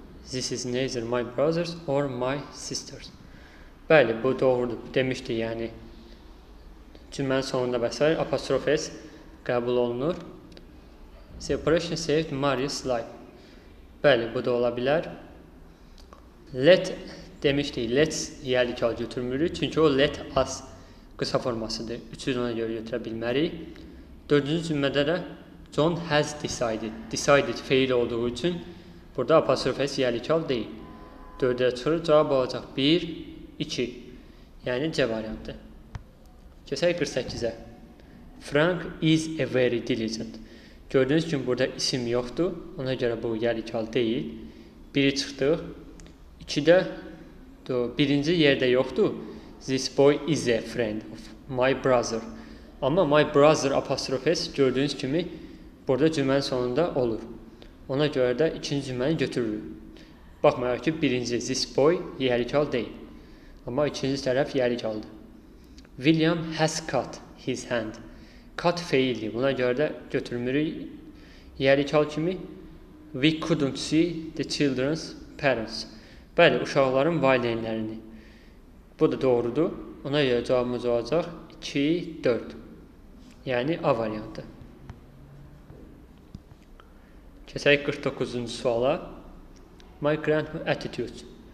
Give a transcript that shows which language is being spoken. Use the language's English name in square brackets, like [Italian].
[English] This is neither my brothers or my sisters. [Azerbaijani] Bəli, bu doğrudur. Demişdi yəni. Cümlənin sonunda bəsələr apostrofes qəbul olunur. [English] Separation saved Mary's life. [Azerbaijani] Bəli, bu da ola bilər. Let demişdi. Let's yəni ki, götürmürük. Çünki o [English] let us [Azerbaijani] qısa formasıdır. 310-a görə götürə bilmərik. Dördüncü cümlədə də [English] John has decided. [Azerbaijani] Decided fail olduğu üçün burada apostrofes yəni ki, deyil. Dördə çıxırıq. Cavab olacaq 1, 2. Yəni C variantı. Keçək 48-ə. [English] Frank is a very diligent. [Azerbaijani] Gördüyünüz kimi burada isim yoxdur. Ona görə bu yəni ki, deyil. 1-i çıxdıq. 2-də birinci yerdə yoxdur. [English] This boy is a friend of my brother. [Azerbaijani] Amma my brother apostrofes gördüyünüz kimi burada cümlənin sonunda olur. Ona görə də ikinci cümləni götürürük. Baxmayaq ki, birinci [English] this boy [Azerbaijani] yəni ki, deyil. Amma ikinci tərəf yəni ki, [English] William has cut his hand. [Azerbaijani] Cut feildi. Buna görə də götürmürük. Yəni ki, kimi [English] we couldn't see the children's parents. [Azerbaijani] Bəli, uşaqların valideynlərini. Bu da doğrudur. Ona görə cavabımız olacaq 2-4. Yəni A variantı. Keçək 49-cu suala. [English] My grandma attitude.